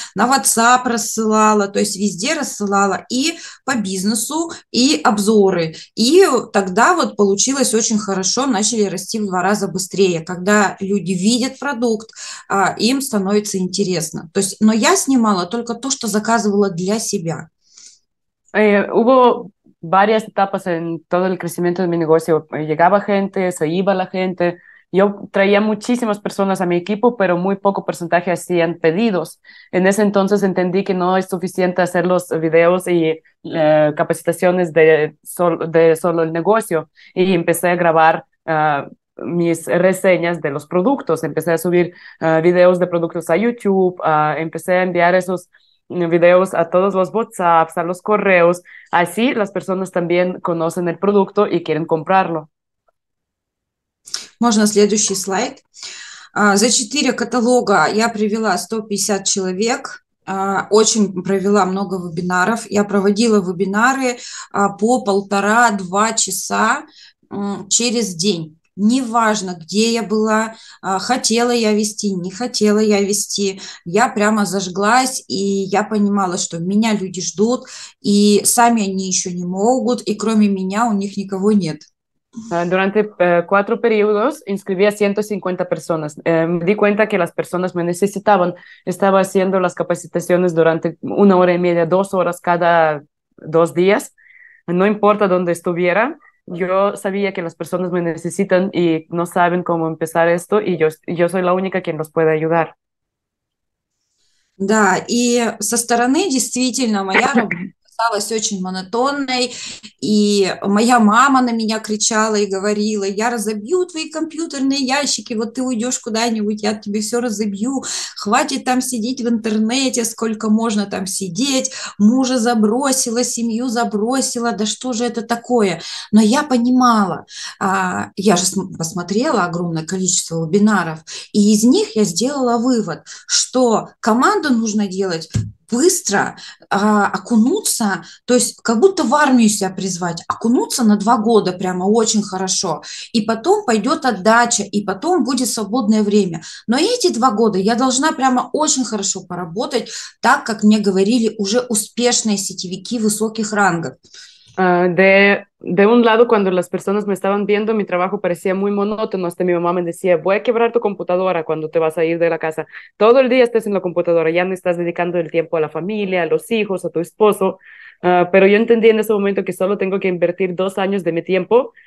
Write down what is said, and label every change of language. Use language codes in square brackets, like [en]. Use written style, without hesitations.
[ru] На WhatsApp рассылала, то есть везде рассылала и по бизнесу, и обзоры. И тогда вот получилось очень хорошо, начали расти в 2 раза быстрее. Когда люди видят продукт, им становится интересно. То есть, но я снимала только то, что заказывала для себя. [es] Hubo varias etapas en todo el crecimiento de mi negocio. Llegaba gente, se iba la gente. Yo traía muchísimas personas a mi equipo, pero muy poco porcentaje hacían pedidos. En ese entonces entendí que no es suficiente hacer los videos y capacitaciones de solo el negocio. Y empecé a grabar mis reseñas de los productos. Empecé a subir videos de productos a YouTube. Empecé a enviar esos videos a todos los WhatsApps, a los correos, así las personas también conocen el producto y quieren comprarlo. [ru] Можно следующий слайд. За 4 каталога я привела 150 человек. Очень провела много вебинаров. Я проводила вебинары по 1,5-2 часа через день. Неважно, где я была, хотела я вести, не хотела я вести, я прямо зажглась, и я понимала, что меня люди ждут, и сами они еще не могут, и кроме меня у них никого нет. [es] Durante 4 periodos inscribí a 150 personas. Me di cuenta que las personas me necesitaban. Estaba haciendo las capacitaciones durante 1 hora y media, 2 horas cada 2 días. No importa dónde estuviera, yo sabía que las personas me necesitan y no saben cómo empezar esto y yo soy la única quien los puede ayudar. [ru] Да, и со стороны действительно моя работа казалась очень монотонной, и моя мама на меня кричала и говорила: «Я разобью твои компьютерные ящики, вот ты уйдешь куда-нибудь, я тебе все разобью, хватит там сидеть в интернете, сколько можно там сидеть, мужа забросила, семью забросила, да что же это такое?» Но я понимала, я же посмотрела огромное количество вебинаров, и из них я сделала вывод, что команду нужно делать быстро, окунуться, то есть как будто в армию себя призвать, окунуться на 2 года прямо очень хорошо, и потом пойдет отдача, и потом будет свободное время. Но эти 2 года я должна прямо очень хорошо поработать, так как мне говорили уже успешные сетевики высоких рангов. [es] De un lado, cuando las personas me estaban viendo, mi trabajo parecía muy monótono. Hasta mi mamá me decía, voy a quebrar tu computadora cuando te vas a ir de la casa. Todo el día estás en la computadora, ya no estás dedicando el tiempo a la familia, a los hijos, a tu esposo. Pero yo entendí en ese momento que solo tengo que invertir 2 años de mi tiempo.